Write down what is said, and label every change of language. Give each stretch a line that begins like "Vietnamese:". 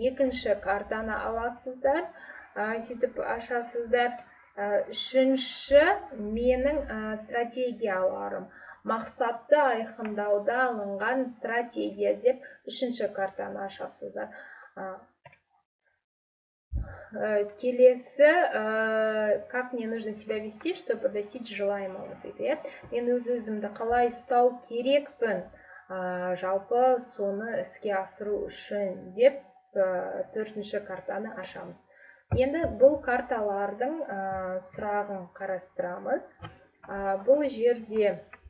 Kazakh: Екінші картаны аласыздар, сөйтіп, ашасыздар. Үшінші, менің стратегияларым. Мақсатты айқындауда алынған стратегия деп үшінші картаны ашасыздар.
Russian: Келесі, как мне нужно себя вести, чтобы достичь желаемого,
Kazakh: дейді. Мен өз-өзімді қалай ұстау керекпін, жалпы соны іске асыру үшін деп төртінші картаны ашамыз. Енді бұл карталардың сұрағын қарастырамыз. Бұл жерде...